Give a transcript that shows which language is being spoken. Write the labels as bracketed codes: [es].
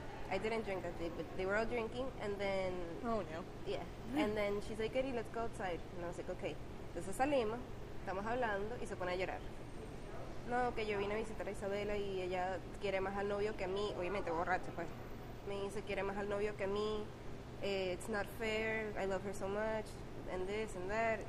[en] I didn't drink that day, but they were all drinking, and then... Oh, no. Yeah. And then she's like, Katie, let's go outside. And I was like, okay. [es] Entonces salimos, estamos hablando, y se pone a llorar. No, que yo vine a visitar a Isabela, y ella quiere más al novio que a mí. Obviamente, borracha, pues. Me dice, quiere más al novio que a mí. [en] It's not fair, I love her so much, and this, and that.